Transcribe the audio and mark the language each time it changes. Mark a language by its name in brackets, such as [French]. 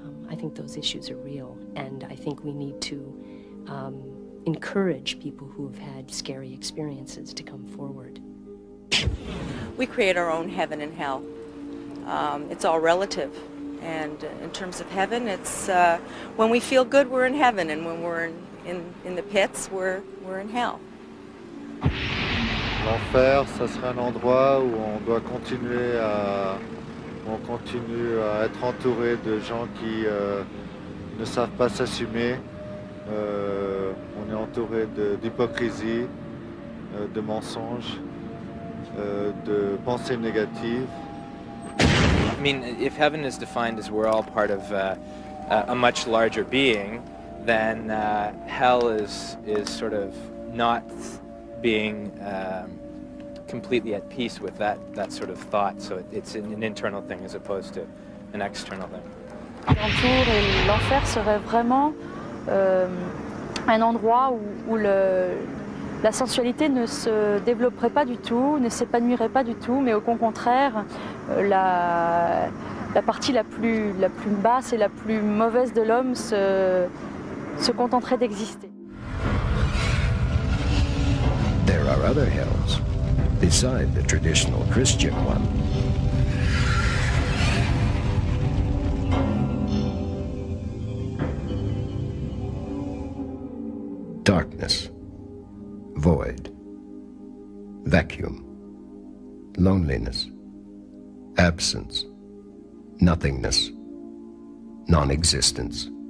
[English] I think those issues are real, and I think we need to encourage people who have had scary experiences to come forward. We create our own heaven and hell. It's all relative. And in terms of heaven, it's when we feel good, we're in heaven, and when we're in the pits, we're in hell. [French] L'enfer, ça serait un endroit où on doit continuer à on continue à être entouré de gens qui ne savent pas s'assumer. On est entouré d'hypocrisie, de mensonges, de pensées négatives. [English] I mean, if heaven is defined as we're all part of a much larger being, then hell is sort of not being completely at peace with that sort of thought. So it's an internal thing as opposed to an external thing. [French] L'enfer serait vraiment un endroit où la sensualité ne se développerait pas du tout, ne s'épanouirait pas du tout, mais au contraire, la partie la plus basse et la plus mauvaise de l'homme se contenterait d'exister. [English] There are other hells beside the traditional Christian one. Darkness, void, vacuum, loneliness, absence, nothingness, non-existence.